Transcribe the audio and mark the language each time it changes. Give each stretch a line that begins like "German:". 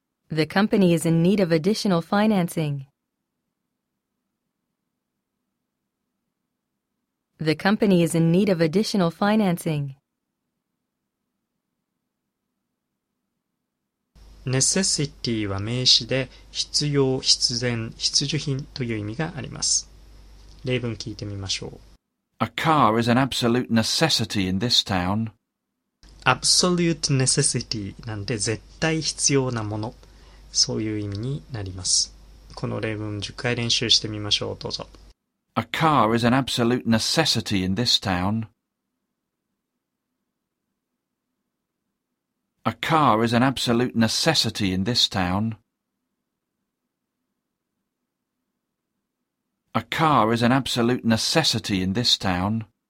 English: The company is in need of additional financing. The company is in need of additional financing.
Japanese: Necessity は名詞で必要、必然、必需品という意味があります。例文聞いてみましょう。
English: A car is an absolute necessity in this town. Absolute necessity
Japanese: なんて絶対必要なもの。そういう意味になります。この例文10回練習してみましょう。どうぞ。
English: A car is an absolute necessity in this town. A car is an absolute necessity in this town. A car is an absolute necessity in this town.